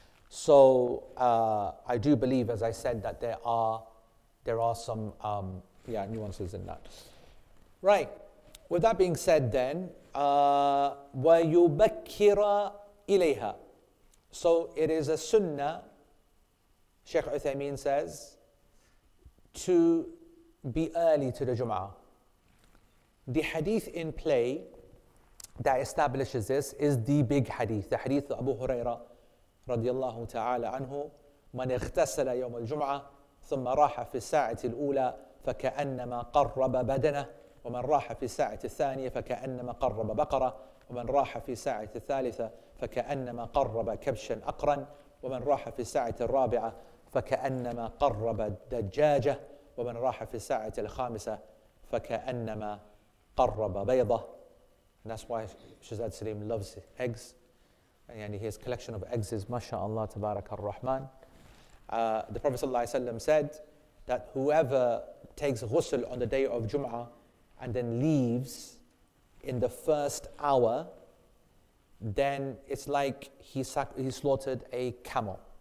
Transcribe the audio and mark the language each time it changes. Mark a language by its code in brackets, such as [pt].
[en] So I do believe, as I said, that there are some nuances in that. Right. With that being said, then [ar] وَيُبَكِّرَ إِلَيْهَا. [en] So it is a sunnah, Sheikh Uthaymeen says, to be early to the Jum'ah. The hadith in play that establishes this is the big hadith, the hadith of Abu Hurairah [ar] radiallahu ta'ala anhu, من اغتسل يوم الجمعة ثم راح في الساعة الأولى فكأنما قرب بدنه ومن راح في الساعة الثانية فكأنما قرب بقرة ومن راح في الساعة الثالثة فكأنما قرب كبشا أقرا ومن راح في الساعة الرابعة فكأنما قرب دجاجة ومن راح في الساعة الخامسة فكأنما قرب بيضة. [en] And that's why Shahzad Salim loves eggs. And his collection of eggs is mashallah tabarak al-Rahman. The Prophet sallallahu alayhi wa sallam said that whoever takes ghusl on the day of Jum'ah and then leaves in the first hour, then it's like he slaughtered a camel.